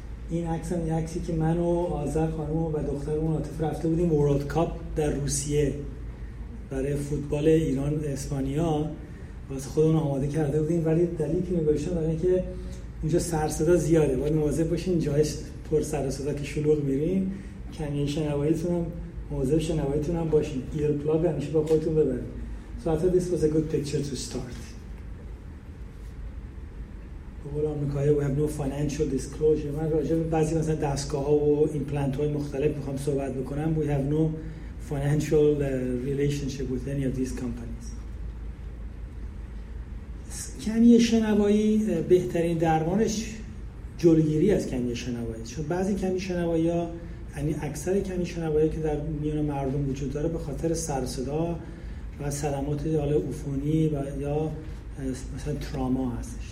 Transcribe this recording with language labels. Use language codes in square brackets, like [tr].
[fa] این عکس هم یه عکسی که من و آذر خانم و دخترمون عاطف رفته بودیم ورلد کاپ در روسیه برای فوتبال ایران اسپانیا، واسه خودمون آماده کرده بودیم، ولی دلیلی که نگاشتم برای اینکه اونجا سر صدا زیاده، باید مواظب باشین جایش پر سر صدا که شلوغ میریم، کمی شنواییتون هم مواظب شنواییتون هم باشین، ایر پلاگ همیشه با خودتون ببرید. [en] So I thought this was a good picture to start. [fa] بقول آمریکایی [en] we have no financial disclosure. [fa] من راجع به بعضی مثلا دستگاه ها و ایمپلنت های مختلف میخوام صحبت بکنم. [en] We have no financial relationship with any of these companies. [fa] کمی شنوایی بهترین درمانش جلوگیری از کمی شنوایی. چون بعضی کمی شنوایی ها، یعنی اکثر کمی شنوایی که در میان مردم وجود داره، به خاطر سر صدا و صدمات حال عفونی و یا مثلا تراما هستش.